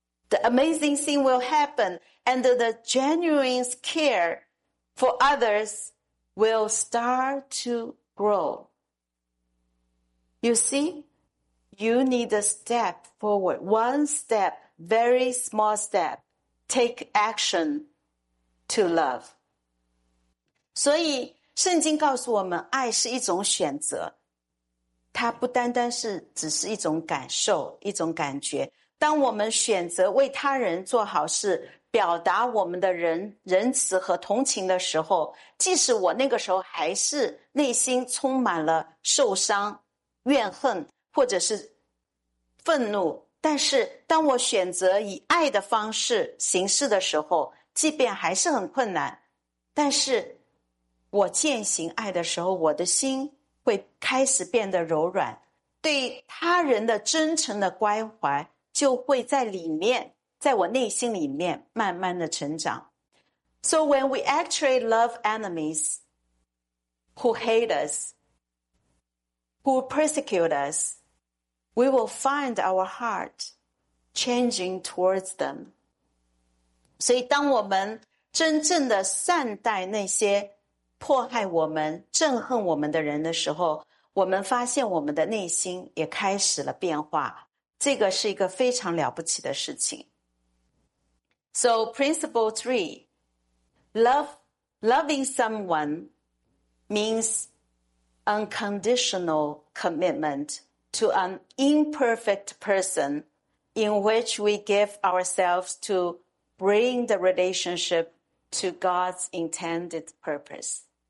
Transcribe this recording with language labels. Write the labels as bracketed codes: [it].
[en] The amazing thing will happen, and the genuine care for others will start to grow. You see, you need a step forward, one step, very small step. Take action to love. [zh] 所以圣经告诉我们，爱是一种选择，它不单单是只是一种感受，一种感觉。当我们选择为他人做好事，表达我们的仁慈和同情的时候，即使我那个时候还是内心充满了受伤、怨恨或者是愤怒，但是当我选择以爱的方式行事的时候，即便还是很困难，但是我践行爱的时候，我的心会开始变得柔软，对他人的真诚的关怀就会在里面，在我内心里面慢慢的成长。 [en] So when we actually love enemies who hate us, who persecute us, we will find our heart changing towards them. [zh] 所以当我们真正的善待那些迫害我们、憎恨我们的人的时候，我们发现我们的内心也开始了变化，这个是一个非常了不起的事情。 [en] So, principle three, loving someone means unconditional commitment to an imperfect person in which we give ourselves to bring the relationship to God's intended purpose.